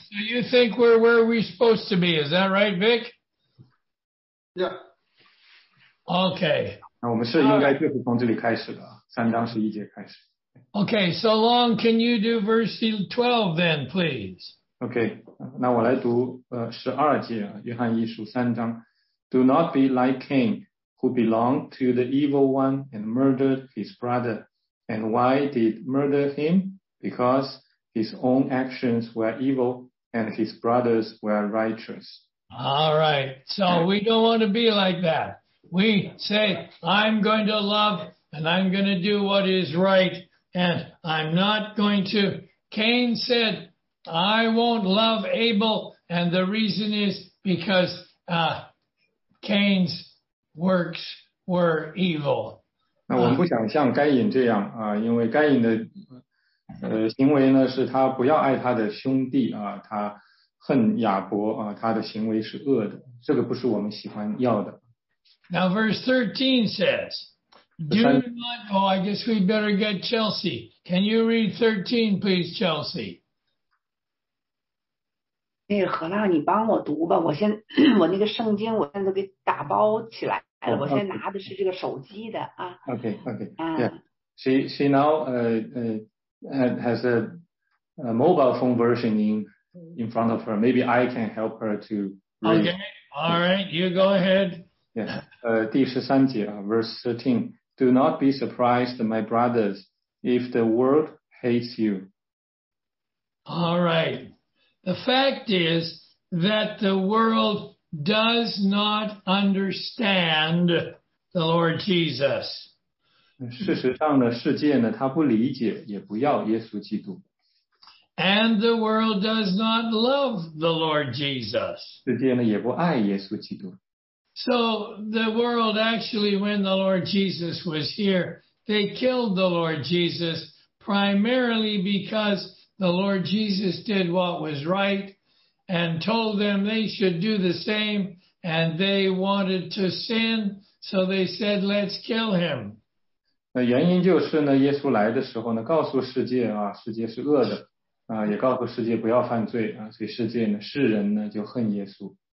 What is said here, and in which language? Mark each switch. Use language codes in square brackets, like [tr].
[en] so you think we're where we're supposed to be, is that right, Vic? Yeah. Okay. [zh] 那我们是应该就是从这里开始的，三章十一节开始。 [en] Okay, so long, can you do verse 12 then, please? [zh] Okay, 那我来读12节啊，约翰一书三章。 [en] Do not be like Cain, who belonged to the evil one and murdered his brother. And why did murder him? Because his own actions were evil and his brothers were righteous. All right, so we don't want to be like that. We say, I'm going to love and I'm going to do what is right. And I'm not going to. Cain said, I won't love Abel. And the reason is because Cain's works were evil. [zh] 那我们不想像该隐这样啊，因为该隐的行为呢，是他不要爱他的兄弟啊，他恨亚伯啊，他的行为是恶的，这个不是我们喜欢要的。 [en] Now verse 13 says, Do not, oh, I guess we better get Chelsea. Can you read 13, please, Chelsea? [zh] 哎，何娜，你帮我读吧。我先，我那个圣经，我现在都给打包起来了。 [en] Oh, okay. [zh] 我现在拿的是这个手机的啊。 [en] Okay. Yeah. She now has a mobile phone version in front of her. Maybe I can help her to read. Okay. All right. You go ahead. Yeah. [zh] 第十三节啊 ， [en] verse 13。 Do not be surprised, my brothers, if the world hates you. All right. The fact is that the world does not understand the Lord Jesus. [zh] 事实上呢，世界呢，他不理解，也不要耶稣基督。 [en] And the world does not love the Lord Jesus. [zh] 世界呢，也不爱耶稣基督。 [en] So the world actually, when the Lord Jesus was here, they killed the Lord Jesus primarily because the Lord Jesus did what was right and told them they should do the same and they wanted to sin. So they said, let's kill him. [zh] 那原因就是呢，耶稣来的时候呢，告诉世界啊，世界是恶的啊，也告诉世界不要犯罪啊，所以世界呢，世人呢，就恨耶稣。